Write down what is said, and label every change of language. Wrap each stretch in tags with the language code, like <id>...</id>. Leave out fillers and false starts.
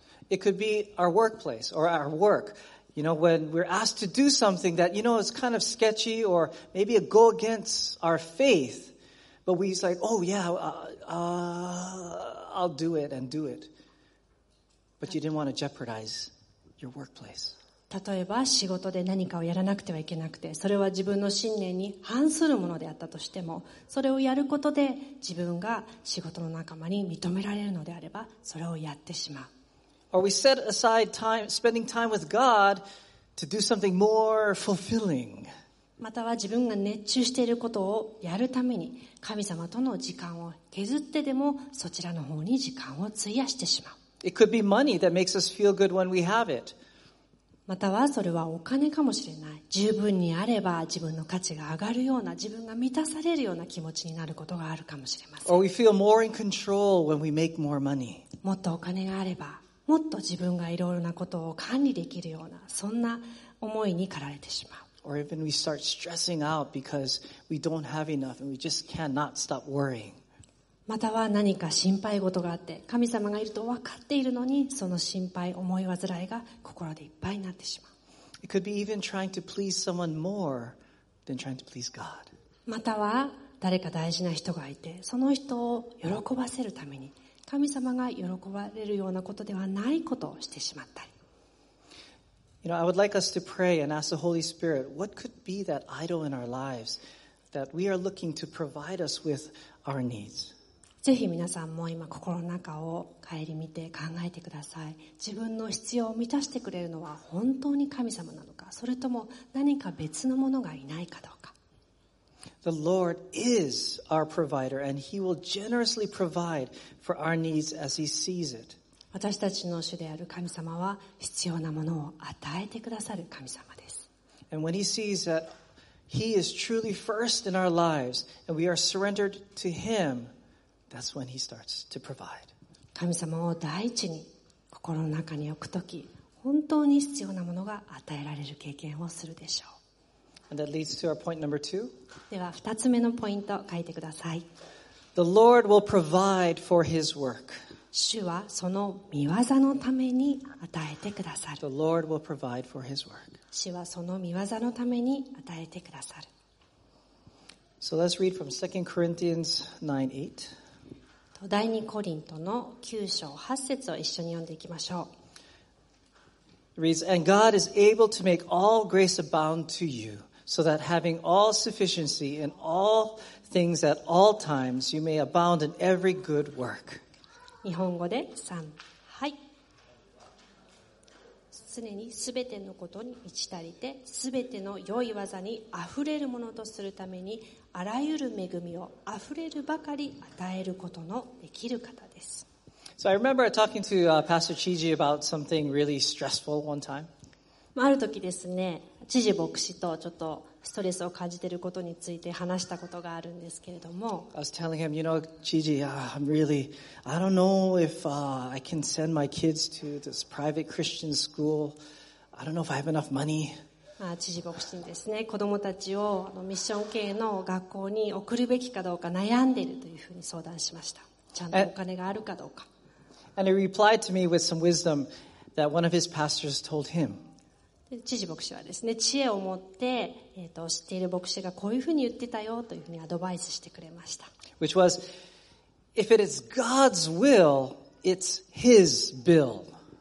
<en>It could be our workplace or our work. You know, when we're asked to do something that, you know, it's kind of sketchy or maybe it go against our faith, but we's like, oh yeah, I'll do it and do it. But you didn't want to jeopardize your workplace.</en> <ja>例えば仕事で何かをやらなくてはいけなくて、それは自分の信念に反するものであったとしても、それをやることで自分が仕事の仲間に認められるのであれば、それをやってしまう。</ja> <en>Or we set aside time, spending time with God to do something more fulfilling.</en> <ja>または自分が熱中していることをやるために神様との時間を削ってでもそちらの方に時間を費やしてしまう。</ja> <en>It could be money that makes us feel good when we have it.</en> <ja>またはそれはお金かもしれない。十分にあれば自分の価値が上がるような自分が満たされるような気持ちになることがあるかもしれません。</ja> <en>Or we feel more in control when we make more money.</en> <ja>もっとお金があればもっと自分がいろいろなことを管理できるようなそんな思いに駆られてしまう。</ja> <en>Or even we start stressing out because we don't have enough and we just cannot stop worrying.</en> <ja>または何か心配事があって神様がいると分かっているのにその心配思い煩いが心でいっぱいになってしまう。</ja> <en>It could be even trying to please someone more than trying to please God.</en> <ja>または誰か大事な人がいてその人を喜ばせるために神様が喜ばれるようなことではないことをしてしまったり。</ja> <en>You know, I would like us to pray and ask the Holy Spirit, what could be that idol in our lives that we are looking to provide us with our needs?</en> <ja>ぜひ皆さんも今心の中を顧みて考えてください。自分の必要を満たしてくれるのは本当に神様なのか、それとも何か別のものがいないかどうか。</ja> <en>The Lord is our provider and He will generously provide for our needs as He sees it.</en> <ja>私たちの主である神様は必要なものを与えてくださる神様です。</ja> <en>And when He sees that He is truly first in our lives and we are surrendered to Him, that's when He starts to provide.</en> <ja>神様を第一に心の中に置くとき、本当に必要なものが与えられる経験をするでしょう。</ja> <en>And that leads to our point number two.</en> <ja>では二つ目のポイント書いてください。</ja> <en>The Lord will provide for His work.</en> <ja>主はその御業のために与えてくださる。</ja> <en>The Lord will provide for His work.</en> <ja>主はその御業のために与えてくださる。</ja> <en>So let's read from 2 Corinthians 9:8.</en> <ja>第二コリントの9章8節を一緒に読んでいきましょう。</ja> <en>Reads, and God is able to make all grace abound to you, so that having all sufficiency in all things at all times, you may abound in every good work.</en> <ja>日本語で3、はい。常にすべてのことに満ち足りて、すべての良い技にあふれるものとするために、あらゆる恵みをあふれるばかり与えることのできる方です。</ja> <en>So I remember talking to Pastor Chiji about something really stressful one time.</en> <ja>ある時ですね、チジ牧師とちょっとストレスを感じていることについて話したことがあるんですけれども。</ja> <en>I was telling him, you know, Chiji, I'm really, I don't know if I can send my kids to this private Christian school. I don't know if I have enough money.</en> <ja>知事牧師にですね、子どもたちをミッション系の学校に送るべきかどうか悩んでいるというふうに相談しました。ちゃんとお金があるかどうか。</ja> <en>And he replied to me with some wisdom that one of his pastors told him.</en> <ja>知事牧師はですね、知恵を持って、知っている牧師がこういうふうに言ってたよというふうにアドバイスしてくれました。</ja> <en>Which was, if it is God's will, it's His bill.</en>